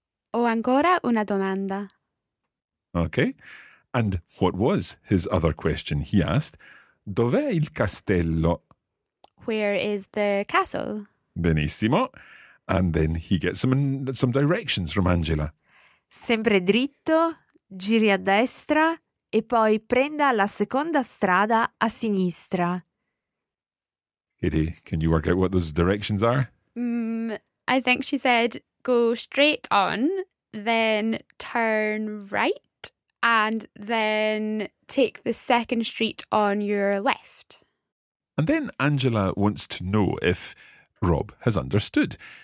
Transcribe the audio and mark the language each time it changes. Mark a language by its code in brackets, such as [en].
[it] O ancora una domanda. [en] Okay. And what was his other question? He asked, [it] dov'è il castello? [en] Where is the castle? [it] Benissimo. [en] And then he gets some directions from Angela. [it] Sempre dritto, giri a destra e poi prenda la seconda strada a sinistra. [en] Kitty, can you work out what those directions are? I think she said go straight on, then turn right, and then take the second street on your left. And then Angela wants to know if Rob has understood.